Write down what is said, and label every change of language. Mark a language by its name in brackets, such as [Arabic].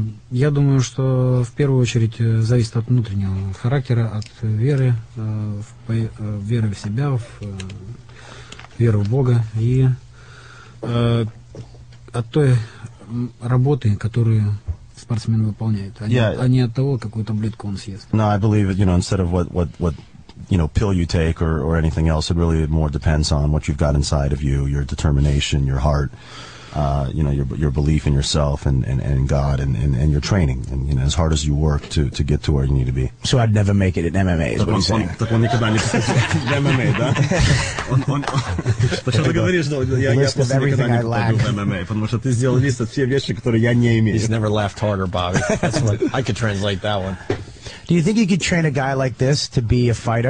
[Russian] Я думаю, что в первую очередь зависит от внутреннего характера, от веры, веры в себя, веры в Бога и от той работы, которую спортсмен выполняет, а не от того, какую таблетку он съест. [English] No, I believe, you know, instead of what you know, pill you take or anything else, it really more depends on what you've got inside of you, your determination, your heart, you know, your belief in yourself and God and your training, and, you know, as hard as you work to get to where you need to be. So I'd never make it in MMA, is what he's saying. [Russian] Так он никогда не в MMA, да? Почему ты говоришь, что я просто никогда не попаду в MMA, потому что ты сделал лист от всех вещей, которые я не имею. [English] He's never laughed harder, Bobby. That's what I could translate that one. Do you think you could train a guy like this to be a fighter?